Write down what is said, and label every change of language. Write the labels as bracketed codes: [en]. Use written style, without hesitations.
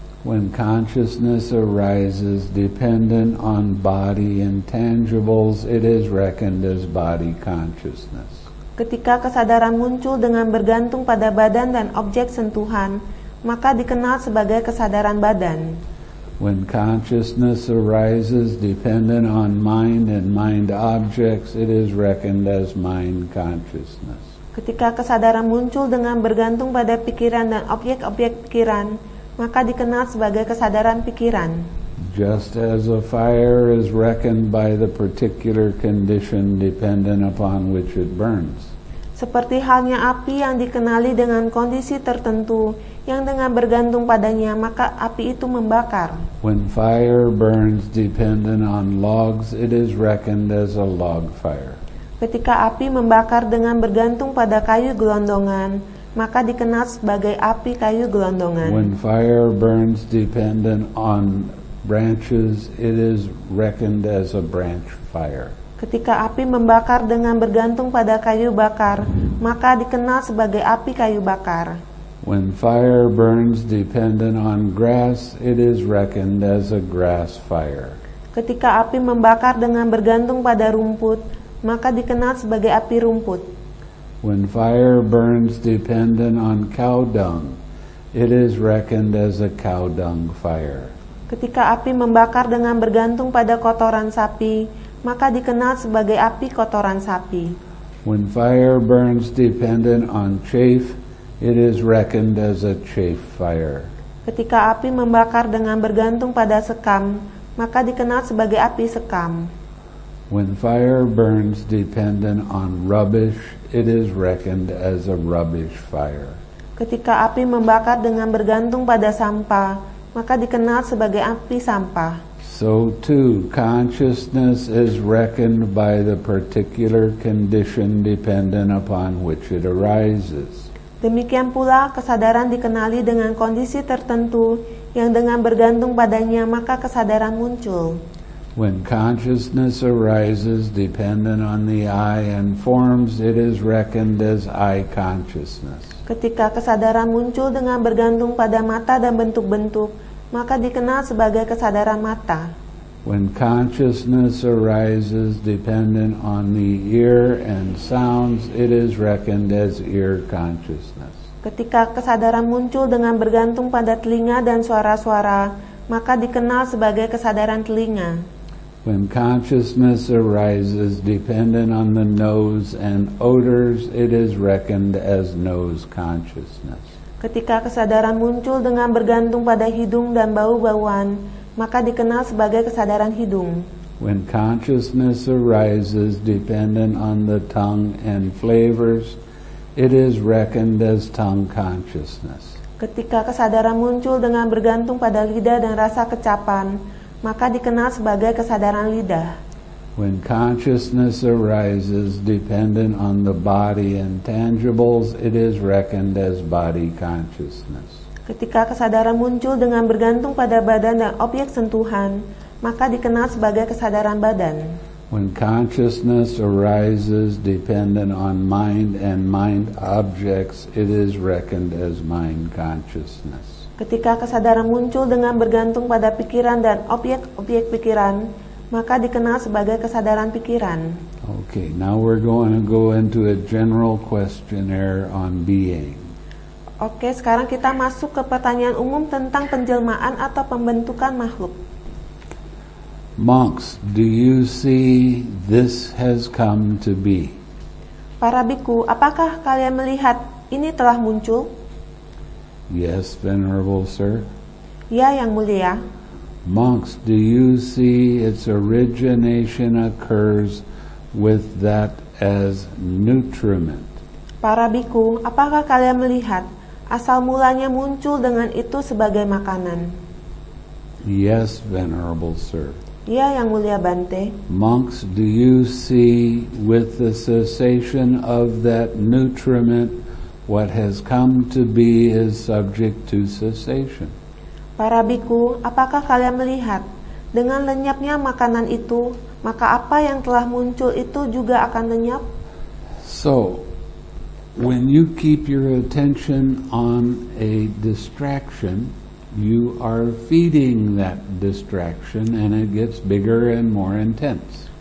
[en] When consciousness arises dependent on body and tangibles, it is reckoned as body consciousness. [id] Ketika kesadaran muncul dengan bergantung pada badan dan objek sentuhan, maka dikenal sebagai kesadaran badan. [en] When consciousness arises dependent on mind and mind objects, it is reckoned as mind consciousness. [id] Ketika kesadaran muncul dengan bergantung pada pikiran dan objek-objek pikiran, maka dikenal sebagai kesadaran pikiran. [en] Just as a fire is reckoned by the particular condition dependent upon which it burns. [id] Seperti halnya api yang dikenali dengan kondisi tertentu yang dengan bergantung padanya maka api itu membakar. [en] When fire burns dependent on logs, it is reckoned as a log fire. [id] Ketika api membakar dengan bergantung pada kayu gelondongan, maka dikenal sebagai api kayu gelondongan. [en] When fire burns dependent on branches, it is reckoned as a branch fire. [id] Ketika api membakar dengan bergantung pada kayu bakar, maka dikenal sebagai api kayu bakar. [en] When fire burns dependent on grass, it is reckoned as a grass fire. [id] Ketika api membakar dengan bergantung pada rumput, maka dikenal sebagai api rumput. [en] When fire burns dependent on cow dung, it is reckoned as a cow dung fire. [id] Ketika api membakar dengan bergantung pada kotoran sapi, maka dikenal sebagai api kotoran sapi. [en] When fire burns dependent on chaff, it is reckoned as a chaff fire. [id] Ketika api membakar dengan bergantung pada sekam, maka dikenal sebagai api sekam. [en] When fire burns dependent on rubbish, it is reckoned as a rubbish fire. [id] Ketika api membakar dengan bergantung pada sampah, maka dikenal sebagai api sampah. [en] So too, consciousness is reckoned by the particular condition dependent upon which it arises. [id] Demikian pula, kesadaran dikenali dengan kondisi tertentu yang dengan bergantung padanya maka kesadaran muncul. [en] When consciousness arises dependent on the eye and forms, it is reckoned as eye consciousness. [id] Ketika kesadaran muncul dengan bergantung pada mata dan bentuk-bentuk, maka dikenal sebagai kesadaran mata. [en] When consciousness arises dependent on the ear and sounds, it is reckoned as ear consciousness. [id] Ketika kesadaran muncul dengan bergantung pada telinga dan suara-suara, maka dikenal sebagai kesadaran telinga. [en] When consciousness arises dependent on the nose and odors, it is reckoned as nose consciousness. [id] Ketika kesadaran muncul dengan bergantung pada hidung dan bau-bauan, maka dikenal sebagai kesadaran hidung. [en] When consciousness arises dependent on the tongue and flavors, it is reckoned as tongue consciousness. [id] Ketika kesadaran muncul dengan bergantung pada lidah dan rasa kecapan, maka dikenal sebagai kesadaran lidah. [en] When consciousness arises dependent on the body and tangibles, it is reckoned as body consciousness. [id] Ketika kesadaran muncul dengan bergantung pada badan dan objek sentuhan, maka dikenal sebagai kesadaran badan. [en] When consciousness arises dependent on mind and mind objects, it is reckoned as mind consciousness. [id] Ketika kesadaran muncul dengan bergantung pada pikiran dan objek-objek pikiran, maka dikenal sebagai kesadaran pikiran. [en] Okay, now we're going to go into a general questionnaire on being. [id] Okay, sekarang kita masuk ke pertanyaan umum tentang penjelmaan atau pembentukan makhluk. [en] Monks, do you see this has come to be? [id] Para bhikkhu, apakah kalian melihat ini telah muncul? [en] Yes, venerable sir. [id] Ya, yang mulia. [en] Monks, do you see its origination occurs with that as nutriment? [id] Para bhikkhu, apakah kalian melihat asal mulanya muncul dengan itu sebagai makanan? [en] Yes, venerable sir. [id] Ya, Yang Mulia Bante. [en] Monks, do you see with the cessation of that nutriment what has come to be is subject to cessation? [id] Para bhikkhu, apakah kalian melihat dengan lenyapnya makanan itu, maka apa yang telah muncul itu juga akan lenyap? [en] So, when you keep your attention on a distraction, you are feeding that distraction and it gets bigger and more intense.